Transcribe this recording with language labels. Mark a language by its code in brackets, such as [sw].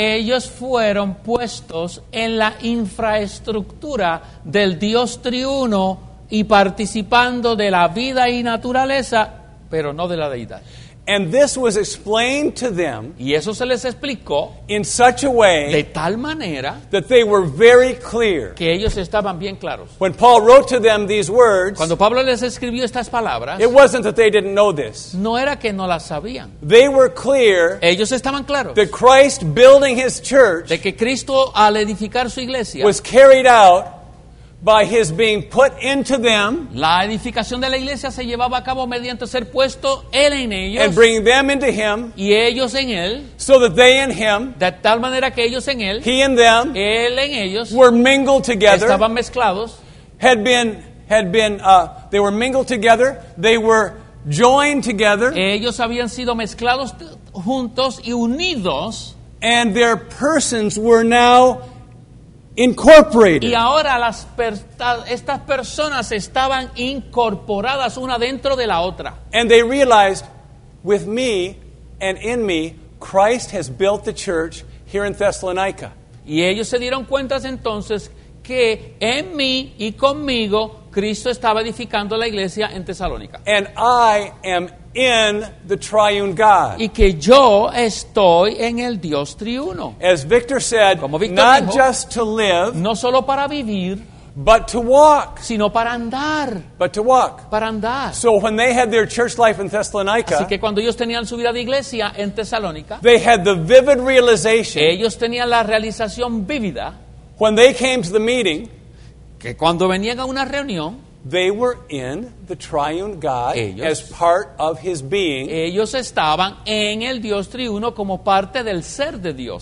[es] Ellos fueron puestos en la infraestructura del Dios triuno y participando de la vida y naturaleza, pero no de la deidad. [en] And this was explained to them, [es] y eso se les explicó, [en] in such a way, [es] de tal manera, [en] that they were very clear, [es] que ellos estaban bien claros. [en] When Paul wrote to them these words, [es] cuando Pablo les escribió estas palabras, [en] it wasn't that they didn't know this. [es] No era que no las sabían. [en] They were clear, [es] ellos estaban claros, [en] that Christ building his church, [es] de que Cristo al edificar su iglesia, [en] was carried out by his being put into them, [es] la edificación de la iglesia se llevaba a cabo mediante ser puesto él en ellos, [en] and bring them into him, [es] y ellos en él, [en] so that they in him, [es] de tal manera que ellos en él, [en] he in them, [es] él en ellos, [en] were mingled together, [es] estaban mezclados, [en] they were mingled together, they were joined together, [es] ellos habían sido mezclados juntos y unidos, [en] and their persons were now incorporated. [es] Y ahora estas personas estaban incorporadas una dentro de la otra. [en] And they realized, with me and in me, Christ has built the church here in Thessalonica. [es] Y ellos se dieron cuenta entonces que en mí y conmigo Cristo estaba edificando la iglesia en Tesalónica. [en] And I am in the triune God. [es] Y que yo estoy en el Dios triuno. [en] As Victor said, [es] como Victor [en] not [es] dijo, [en] just to live, [es] no solo para vivir, [en] but to walk, [es] sino para andar. [en] But to walk, [es] para andar. [en] So when they had their church life in Thessalonica, [es] así que cuando ellos tenían su vida de iglesia en Tesalónica, [en] they had the vivid realization, [es] ellos tenían la realización vívida, [en] when they came to the meeting, [es] que cuando venían a una reunión, [en] they were in the triune God, [es] ellos, [en] as part of his being. [es] Ellos estaban en el Dios triuno como parte del ser de Dios.